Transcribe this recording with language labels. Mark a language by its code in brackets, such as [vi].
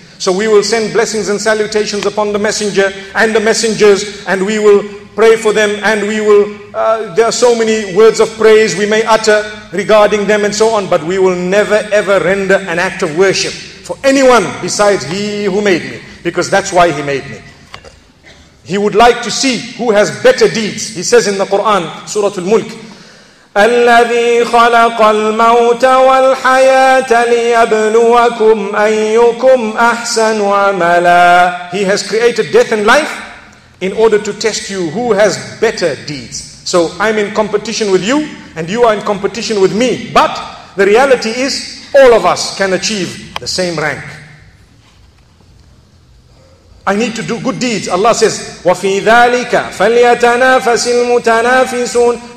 [en] So we will send blessings and salutations upon the messenger and the messengers, and we will pray for them, and we will, there are so many words of praise we may utter regarding them and so on, but we will never ever render an act of worship for anyone besides He who made me, because that's why He made me. He would like to see who has better deeds. He says in the Quran, Surah Al-Mulk, [ar] الذي خلق الموت والحياة ليبلوكم أيكم أحسن عملا. [en] He has created death and life in order to test you who has better deeds. So I'm in competition with you and you are in competition with me. But the reality is all of us can achieve the same rank. I need to do good deeds. Allah says, [ar] وَفِي ذَٰلِكَ فَلْيَتَنَافَسِ الْمُتَنَافِسُونَ.